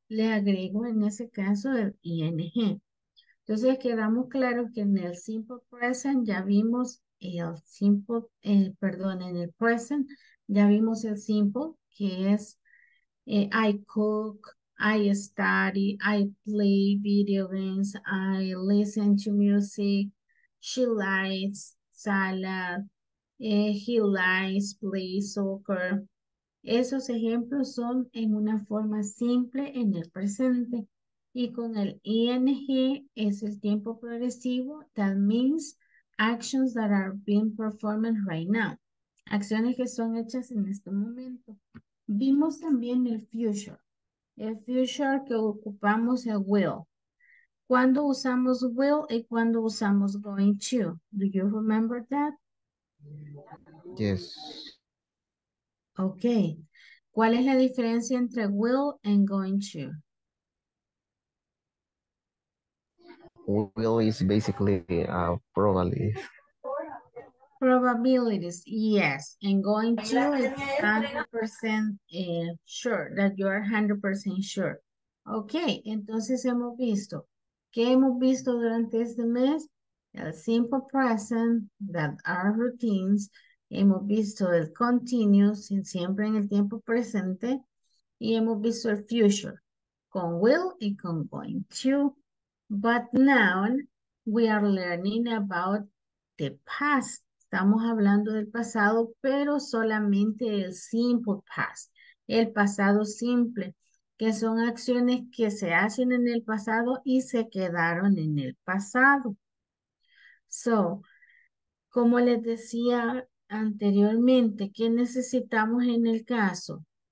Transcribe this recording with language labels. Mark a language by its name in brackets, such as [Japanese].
[Spanish] Le agrego en ese caso el ing. Entonces, quedamos claros que en el simple present ya vimos el simple, perdón, en el present ya vimos el simple, que es [English] I cook, I study, I play video games, I listen to music, she likes salad, he likes play soccer. [Spanish] Esos ejemplos son en una forma simple en el presente. Y con el ing es el tiempo progresivo. [English] That means actions that are being performed right now. [Spanish] Acciones que son hechas en este momento. Vimos también el future. El future que ocupamos el will. ¿Cuándo usamos will y cuándo usamos going to? [English] Do you remember that? Yes. [Spanish] Okay. ¿Cuál es la diferencia entre will and going to? [English] Will is basically probabilities, yes. And going to is 100% sure, that you are 100% sure. [Spanish] Okay, entonces hemos visto. ¿Qué hemos visto durante este mes? [English] El simple present, that are routines. [Spanish] Hemos visto el continuous, siempre en el tiempo presente. Y hemos visto el future, con will y con going to. [English] But now we are learning about the past. [Spanish] Estamos hablando del pasado, pero solamente el simple past, el pasado simple, que son acciones que se hacen en el pasado y se quedaron en el pasado. So, como les decía anteriormente, ¿qué necesitamos en el caso?